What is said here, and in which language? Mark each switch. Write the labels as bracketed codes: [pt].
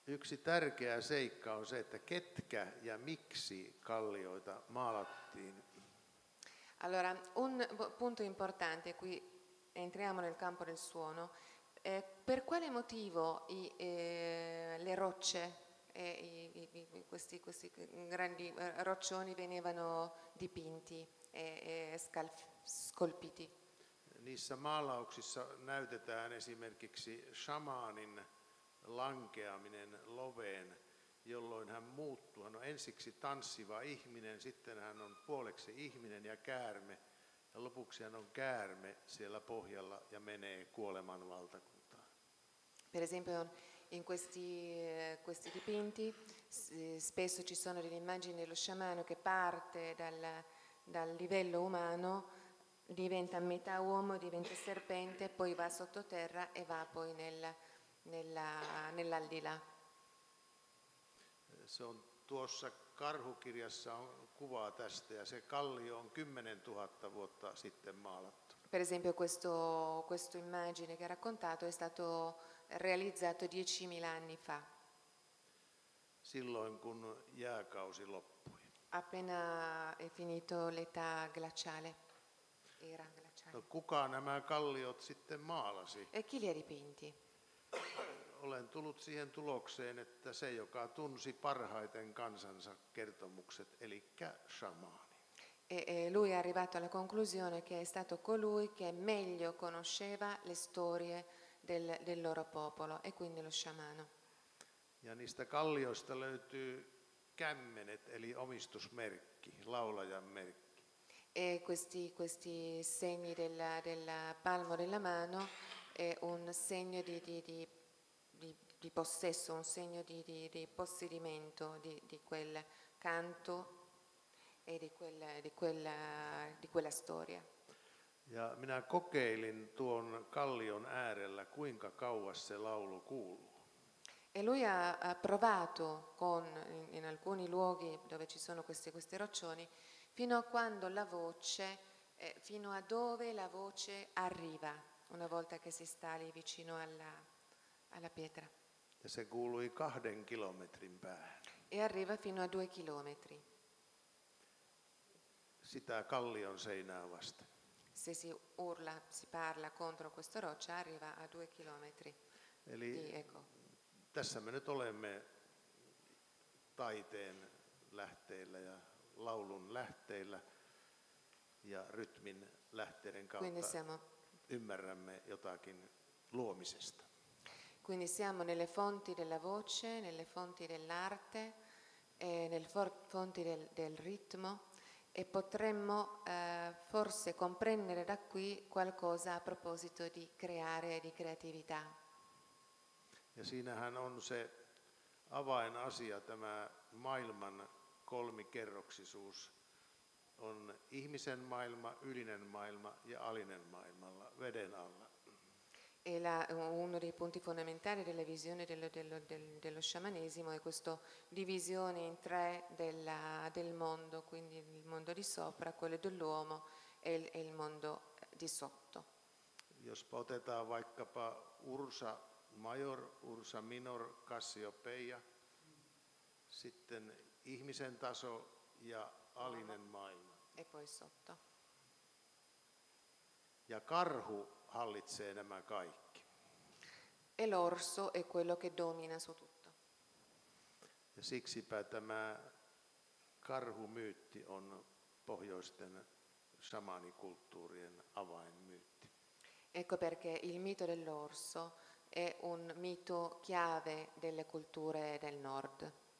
[fi] Yksi tärkeä seikka on se, että ketkä ja miksi kallioita maalattiin. [it] Allora, un punto importante, qui entriamo nel campo del suono, per quale motivo le rocce e questi grandi roccioni venivano dipinti e scolpiti. [fi] Niissä maalauksissa näytetään esimerkiksi shamaanin lankeaminen loveen, jolloin hän muuttuu. Hän on ensiksi tanssiva ihminen, sitten hän on puoleksi ihminen ja käärme, ja lopuksi hän on käärme siellä pohjalla ja menee kuoleman valtakuntaan. [it] Per esempio, in questi dipinti spesso ci sono delle immagini dello sciamano che parte dal livello umano, diventa metà uomo, diventa serpente, poi va sottoterra e va poi nell'aldilà. [fi] Se on tuossa Karhu-kirjassa on kuvaa tästä ja se kallio on 10,000 vuotta sitten maalattu. [it] Per esempio questo immagine che ha raccontato è stato realizzato 10,000 anni fa. [fi] Silloin kun jääkausi loppui. [it] Appena è finito l'età glaciale. Era glaciale. [fi] No, kuka nämä kalliot sitten maalasi? [it] E chi li ha dipinti? [fi] Olen tullut siihen tulokseen, että se, joka tunsi parhaiten kansansa kertomukset, eli shamaani. [it] E lui è arrivato alla conclusione che è stato colui che meglio conosceva le storie del loro popolo, e quindi lo sciamano. [fi] Ja niistä kallioista löytyy kämmenet, eli omistusmerkki, laulajan merkki. [it] E questi segni del palmo della mano è un segno di possesso, un segno di possedimento di quel canto e di quella storia. [fi] Ja minä kokeilin tuon kallion äärellä, kuinka kauas se laulu kuuluu. [it] E lui ha provato in alcuni luoghi dove ci sono queste roccioni, fino a dove la voce arriva, una volta che si sta lì vicino alla pietra. [fi] Ja se kuului 2 kilometrin päähän. [it] E arriva fino a 2 chilometri. [fi] Sitä kallion seinää vasten. [it] Se si urla, si parla contro questa roccia, arriva a 2 chilometri. [fi] Eli tässä me nyt olemme taiteen lähteillä ja laulun lähteillä ja rytmin lähteiden kautta. [it] Quindi siamo. [fi] Ymmärrämme jotakin luomisesta. [it] Quindi siamo nelle fonti della voce, nelle fonti dell'arte, nelle fonti del ritmo, e potremmo forse comprendere da qui qualcosa a proposito di creare e di creatività. [fi] Ja siinähän on se avainasia, tämä maailman kolmikerroksisuus. On ihmisen maailma, ylinen maailma ja alinen maailmalla, veden alla. [it] E uno dei punti fondamentali della visione dello sciamanesimo è questa divisione in tre del mondo, quindi il mondo di sopra, quello dell'uomo e il mondo di sotto. [fi] Jos otetaan vaikkapa Ursa Major, Ursa Minor, Cassiopeia, sitten ihmisen taso ja alinen maailma. [it] E poi sotto. [fi] Ja karhu hallitsee nämä kaikki. [it] E l'orso è quello che domina su tutto. [fi] Ja siksipä tämä karhumyytti on pohjoisten shamanikulttuurien avainmyytti. [it] Ecco perché il mito dell'orso è un mito chiave delle culture del nord.